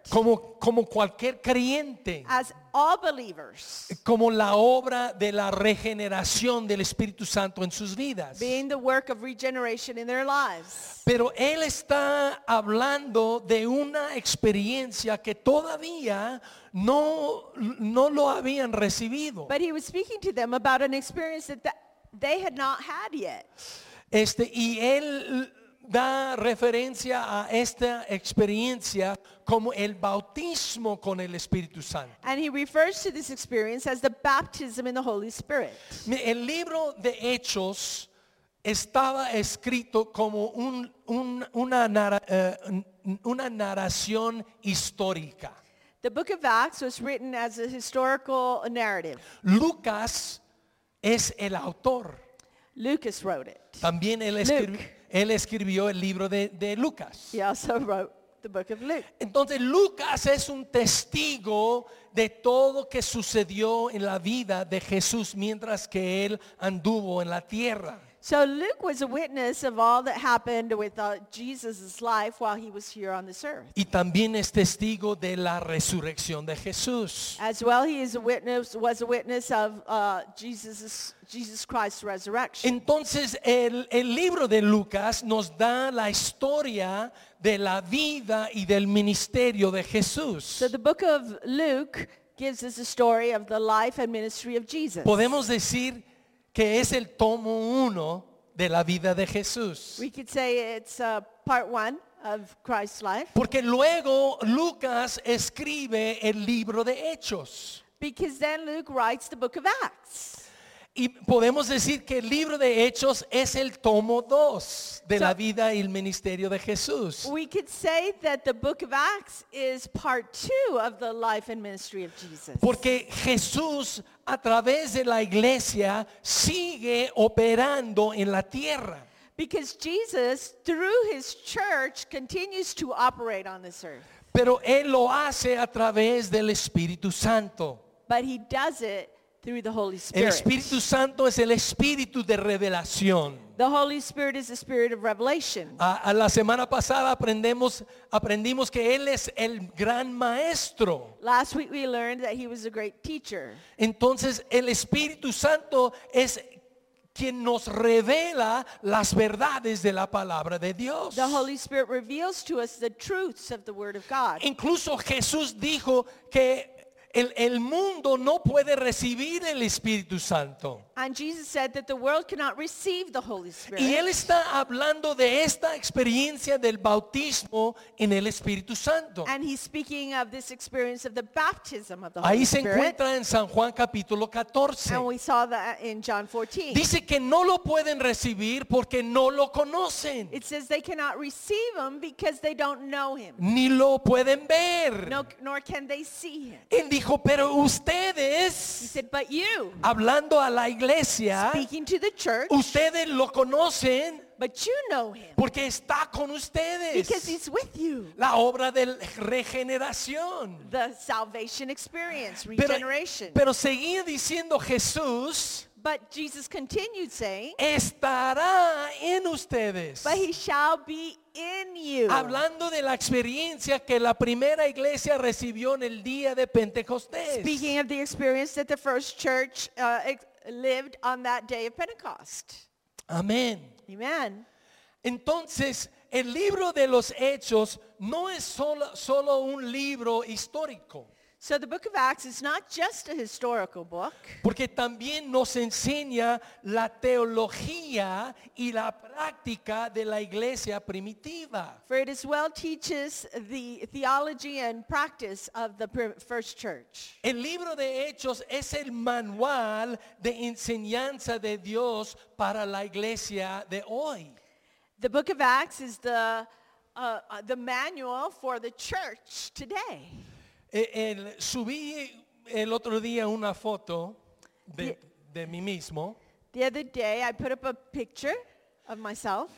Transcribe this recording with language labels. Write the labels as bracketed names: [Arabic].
[Spanish] Como cualquier creyente. [English] As all believers. [Spanish] Como la obra de la regeneración del Espíritu Santo en sus vidas. [English] Being the work of regeneration in their lives. [Spanish] Pero él está hablando de una experiencia que todavía no lo habían recibido. [English] But he was speaking to them about an experience that they had not had yet. [Spanish] Y él da referencia a esta experiencia como el bautismo con el Espíritu Santo. [English] And he refers to this experience as the baptism in the Holy Spirit. [Spanish] El libro de Hechos estaba escrito como una narración histórica. [English] The book of Acts was written as a historical narrative. [Spanish] Lucas es el autor. [English] Lucas wrote it. [Spanish] También él escribió el libro de Lucas. [English] He also wrote the book of Luke. [Spanish] Entonces Lucas es un testigo de todo que sucedió en la vida de Jesús mientras que él anduvo en la tierra. [English] So Luke was a witness of all that happened with Jesus' life while he was here on this earth. [Spanish] Y también es testigo de la resurrección de Jesús. [English] As well, he is was a witness of Jesus Christ's resurrection. [Spanish] Entonces el libro de Lucas nos da la historia de la vida y del ministerio de Jesús. [English] So the book of Luke gives us a story of the life and ministry of Jesus. [Spanish] Podemos decir que es el tomo uno de la vida de Jesús. [English] We could say it's part one of Christ's life. [Spanish] Porque luego Lucas escribe el libro de Hechos. [English] Because then Luke writes the book of Acts. [Spanish] Y podemos decir que el libro de Hechos es el tomo dos de la vida y el ministerio de Jesús. [English] We could say that the book of Acts is part two of the life and ministry of Jesus. [Spanish] Porque Jesús a través de la iglesia sigue operando en la tierra. [English] Because Jesus, through his church, continues to operate on this earth. [Spanish] Pero él lo hace a través del Espíritu Santo. [English] But he does it through the Holy Spirit. [Spanish] El Espíritu Santo es el Espíritu de revelación. [English] The Holy Spirit is the Spirit of Revelation. [Spanish] A la semana pasada aprendimos que él es el gran maestro. [English] Last week we learned that he was a great teacher. [Spanish] Entonces el Espíritu Santo es quien nos revela las verdades de la palabra de Dios. [English] The Holy Spirit reveals to us the truths of the Word of God. [Spanish] Incluso Jesús dijo que el mundo no puede recibir el Espíritu Santo. [English] And Jesus said that the world cannot receive the Holy Spirit. [Spanish] Y él está hablando de esta experiencia del bautismo en el Espíritu Santo. [English] And he's speaking of this experience of the baptism of the Holy [Spanish] Ahí se encuentra en San Juan capítulo 14. [English] And we saw that in John 14. [Spanish] Dice que no lo pueden recibir porque no lo conocen. [English] It says they cannot receive him because they don't know him. [Spanish] Ni lo pueden ver. [English] No, nor can they see him. [Spanish] Él dijo, pero ustedes, [English] he said, but you, [Spanish] hablando a la iglesia, [English] speaking to the church, [Spanish] ustedes lo conocen, [English] but you know him, [Spanish] porque está con ustedes, [English] because he's with you, [Spanish] la obra de regeneración, [English] the salvation experience, regeneration. [Spanish] Pero seguía diciendo Jesús, [English] but Jesus continued saying, [Spanish] estará en ustedes, [English] but he shall be in you. [Spanish] Hablando de la experiencia que la primera iglesia recibió en el día de Pentecostés. [English] Speaking of the experience that the first church lived on that day of Pentecost. [Spanish] Amén. [English] Amen. [Spanish] Entonces, el libro de los Hechos no es solo un libro histórico. [English] So the book of Acts is not just a historical book. [Spanish] Porque también nos enseña la teología y la práctica de la iglesia primitiva. [English] For it as well teaches the theology and practice of the first church. [Spanish] El libro de Hechos es el manual de enseñanza de Dios para la iglesia de hoy. [English] The book of Acts is the manual for the church today. [Spanish] Subí el otro día una foto de mí mismo. [English] The other day I put up a picture of myself.